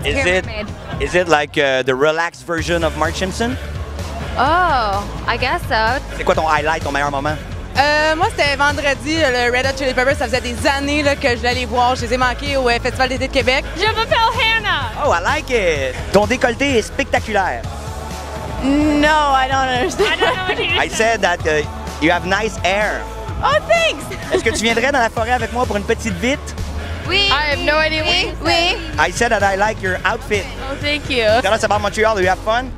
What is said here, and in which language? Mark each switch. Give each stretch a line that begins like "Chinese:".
English: Is it like the relaxed version of Mark Simpson? Oh, I guess so.
French: C'est quoi ton highlight, ton meilleur moment? Moi, c'était vendredi, le Red Hot Chili Peppers. Ça faisait des années là, que je voulais les voir. Je les ai manqués au Festival d'été de Québec. Je m'appelle Hannah.
English: Oh, I like it.
French: Ton décolleté est spectaculaire.
English: No, I don't understand. I don't know what you mean. I said that you have nice air. Oh, thanks.
French: Est-ce que tu viendrais dans la forêt avec moi pour une petite vite? Oui.
English: I have no idea what you
French: oui.
English: said. I said that I like your outfit. Oh, thank you. Tell us about Montreal. Do you have fun?